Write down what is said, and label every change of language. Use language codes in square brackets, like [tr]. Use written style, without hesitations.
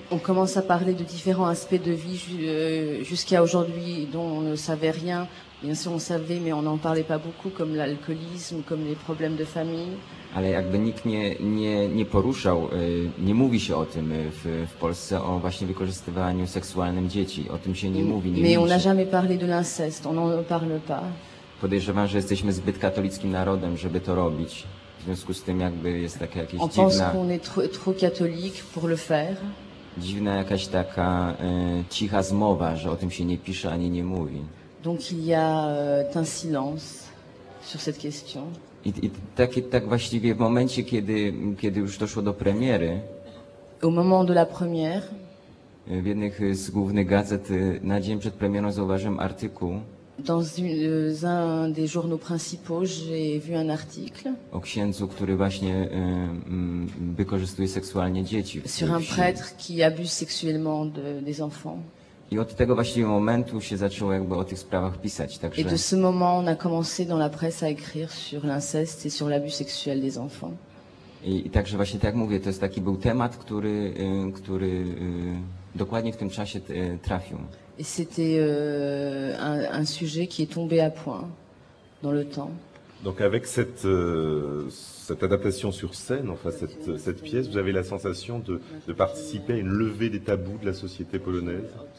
[fr] On commence à parler de différents aspects de vie jusqu'à aujourd'hui dont on ne savait rien. Bien sûr, on savait, mais on n'en parlait pas beaucoup, comme l'alcoolisme, comme les problèmes de famille. [pl] Ale jakby nikt nie poruszał, nie mówi się o tym w Polsce, o właśnie wykorzystywaniu seksualnym dzieci. O tym się nie mówi. Nie [fr] mais on n'a jamais parlé de l'inceste, on n'en parle pas. [pl] Podejrzewam, że jesteśmy zbyt katolickim narodem, żeby to robić. W związku z tym jakby jest takie jakieś [fr] on [pl] dziwne... [fr] On pense qu'on est trop catholique pour le faire. [pl] dziwna jakaś taka cicha zmowa, że o tym się nie pisze ani nie mówi. [fr] Donc il y a un silence sur cette question. [pl] I tak właściwie w momencie, kiedy już doszło do premiery. [fr] Au moment de la première. [pl] W jednych z głównych gazet na dzień przed premierą zauważyłem artykuł. [fr] Dans un des journaux principaux, j'ai vu un article. [pl] O księdzu, który właśnie wykorzystuje seksualnie dzieci. [fr] Sur un prêtre qui abuse sexuellement des enfants. [pl] I od tego właściwie momentu się zaczęło jakby o tych sprawach pisać, także. [fr] Et de ce moment, on a commencé dans la presse à écrire sur l'inceste et sur l'abus sexuel des enfants. [pl] I także właśnie tak jak mówię, to jest taki był temat, który dokładnie w tym czasie trafił. [fr] Et c'était un sujet qui est tombé à point dans le temps. Donc avec cette adaptation sur scène, enfin cette pièce, vous avez la sensation de participer à une levée des tabous de la société polonaise.